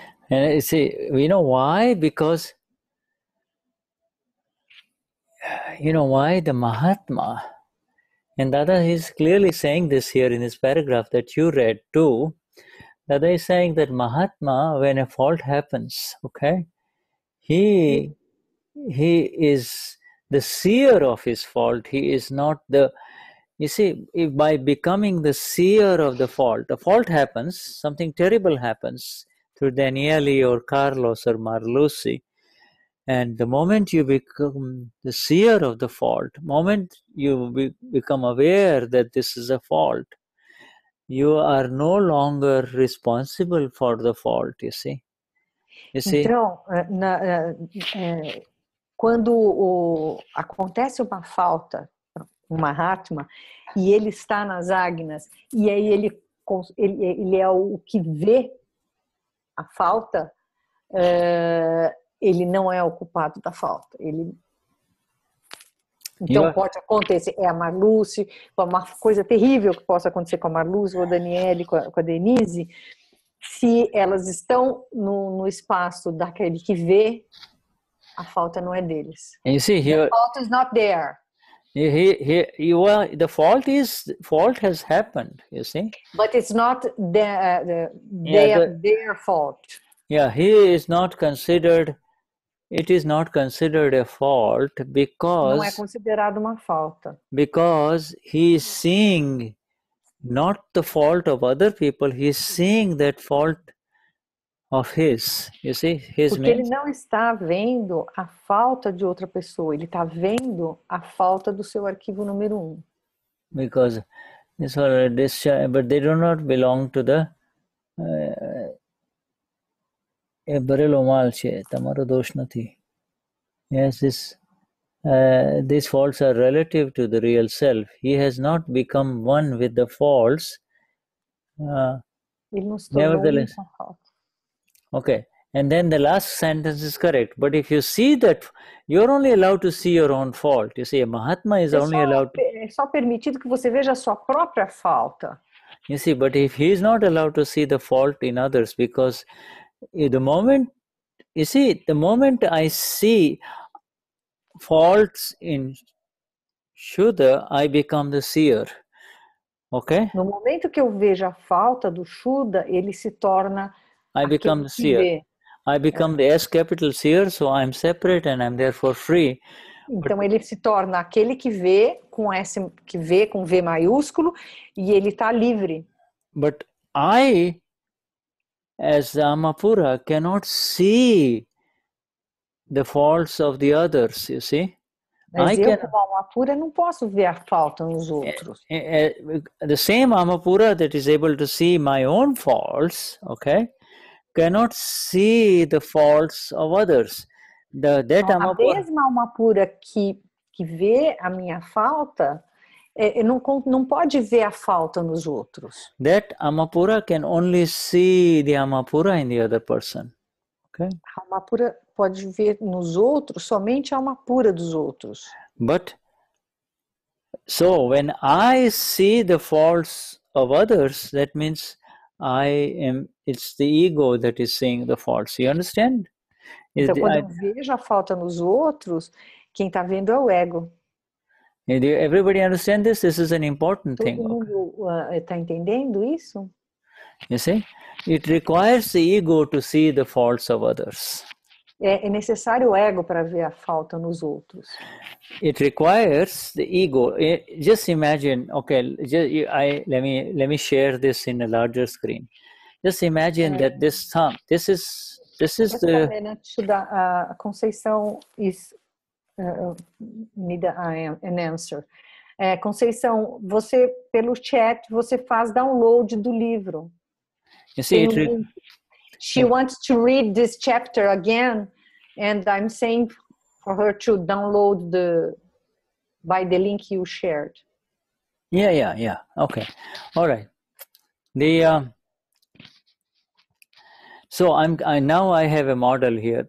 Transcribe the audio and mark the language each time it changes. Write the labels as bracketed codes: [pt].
[en] And you see, you know why? Because you know why the Mahatma, and Dada is clearly saying this here in this paragraph that you read too. Dada is saying that Mahatma, when a fault happens, okay, he is the seer of his fault. He is not the, you see, if by becoming the seer of the fault happens, something terrible happens through Daniele or Carlos or Marluxi. And the moment you become the seer of the fault, moment you become aware that this is a fault, you are no longer responsible for the fault, you see? You see? [pt] Então, quando acontece uma falta, uma Mahatma, e ele está nas Agnas, e aí ele é o que vê a falta, ele não é o culpado da falta. Ele... Então, pode acontecer. É a Marluce, uma coisa terrível que possa acontecer com a Marluce, com a Daniele, com a Denise, se elas estão no espaço daquele que vê, a falta não é deles. [en] And you see, the fault is not there. The fault is, fault has happened, you see? But it's not their fault. Yeah, he is not considered. It is not considered a fault because [pt] não é considerado uma falta. [en] Because he is seeing not the fault of other people, he is seeing that fault of his. You see, his [pt] Porque ele não está vendo a falta de outra pessoa, ele está vendo a falta do seu arquivo número 1. [en] Because this or this, but they do not belong to the yes, these faults are relative to the real self. He has not become one with the faults. Nevertheless. Okay. And then the last sentence is correct. But if you see that, you're only allowed to see your own fault. You see, a Mahatma is only allowed to... [pt] É só permitido que você veja a sua própria falta. [en] You see, but if he is not allowed to see the fault in others, because... The moment I see faults in Shuddha, I become the seer. Okay? [pt] No momento que eu vejo a falta do Shuddha, ele se torna [en] I become the seer. I become the S capital seer, so I'm separate and I'm therefore free. [pt] Então ele se torna aquele que vê com S, que vê com V maiúsculo, e ele está livre. [en] But I as the Amapura cannot see the faults of the others, you see? [pt] Mas eu, como Amapura, não posso ver a falta nos outros. [en] The same Amapura that is able to see my own faults, okay, cannot see the faults of others. [pt] A mesma Amapura que vê a minha falta, não pode ver a falta nos outros. [en] That Amapura can only see the Amapura in the other person. Okay? [pt] A Amapura pode ver nos outros somente a Amapura dos outros. [en] But, so when I see the faults of others, that means I am, it's the ego that is seeing the faults. You understand? [pt] Então, quando eu vejo a falta nos outros, quem está vendo é o ego. [en] Everybody understand this? This is an important [pt] Todo [en] thing. [pt] Todo mundo está entendendo isso? [en] You see? It requires the ego to see the faults of others. [pt] É necessário o ego para ver a falta nos outros. [en] It requires the ego. Just imagine, okay, let me share this in a larger screen. Just imagine that this thumb, this is the... A Conceição is... Need an answer. [pt] É, Conceição, você, pelo chat, você faz download do livro. [en] She wants to read this chapter again, and I'm saying for her to download the by the link you shared. Yeah. Okay. All right. The So now I have a model here.